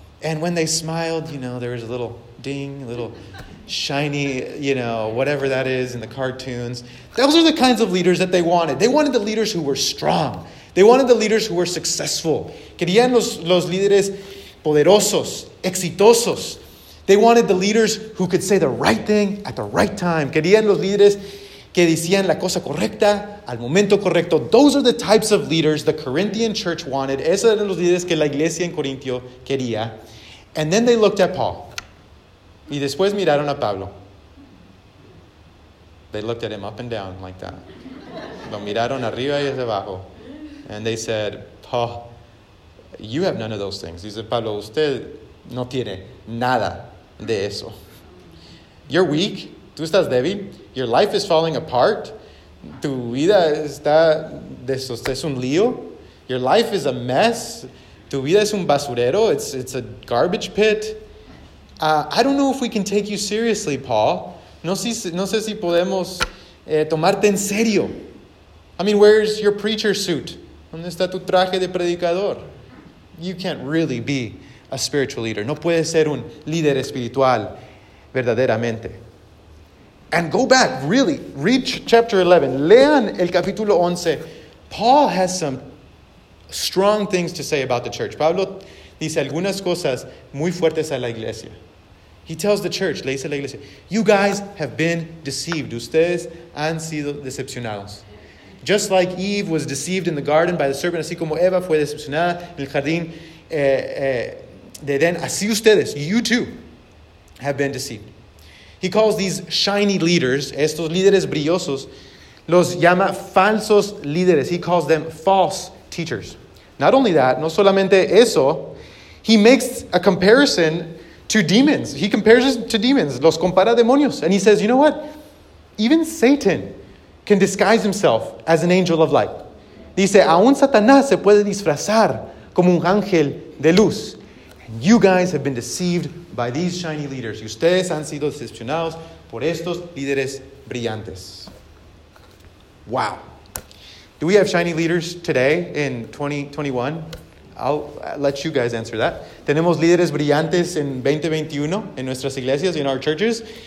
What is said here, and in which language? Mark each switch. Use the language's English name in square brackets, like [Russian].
[English] And when they smiled, you know, there was a little ding, a little shiny, you know, whatever that is in the cartoons. Those are the kinds of leaders that they wanted. They wanted the leaders who were strong. They wanted the leaders who were successful. [Spanish] Querían los líderes poderosos, exitosos. [English] They wanted the leaders who could say the right thing at the right time. [Spanish] Querían los líderes que decían la cosa correcta al momento correcto. [English] Those are the types of leaders the Corinthian church wanted. [Spanish] Esos eran los líderes que la iglesia en Corintio quería. [English] And then they looked at Paul. [Spanish] Y después miraron a Pablo. [English] They looked at him up and down like that. [Spanish] Lo miraron arriba y desde abajo. [English] And they said, Paul, you have none of those things. [Spanish] Dice Pablo, usted no tiene nada de eso. [English] You're weak. [Spanish] Tú estás débil. [English] Your life is falling apart. [Spanish] Tu vida está de eso. Es un lío. [English] Your life is a mess. [Spanish] Tu vida es un basurero. [English] It's a garbage pit. I don't know if we can take you seriously, Paul. [Spanish] No sé si podemos tomarte en serio. [English] I mean, where's your preacher suit? [Spanish] ¿Dónde está tu traje de predicador? [English] You can't really be a spiritual leader. [Spanish] No puedes ser un líder espiritual verdaderamente. [English] And go back, really, read chapter 11. [Spanish] Lean el capítulo 11. [English] Paul has some strong things to say about the church. [Spanish] Pablo dice algunas cosas muy fuertes a la iglesia. [English] He tells the church, [Spanish] le dice a la iglesia, [English] you guys have been deceived. [Spanish] Ustedes han sido decepcionados. [English] Just like Eve was deceived in the garden by the serpent, [Spanish] así como Eva fue decepcionada en el jardín de Edén, así ustedes, [English] you too, have been deceived. He calls these shiny leaders, [Spanish] estos líderes brillosos, los llama falsos líderes. [English] He calls them false teachers. Not only that, [Spanish] no solamente eso, [English] he makes a comparison to demons. He compares us to demons, [Spanish] los compara demonios. [English] And he says, you know what? Even Satan can disguise himself as an angel of light. [Spanish] Dice, aún Satanás se puede disfrazar como un ángel de luz. [English] You guys have been deceived by these shiny leaders. [Spanish] Y ustedes han sido decepcionados por estos líderes brillantes. [English] Wow. Do we have shiny leaders today in 2021? I'll let you guys answer that. [Spanish] ¿Tenemos líderes brillantes en 2021 en nuestras iglesias, [English] in our churches?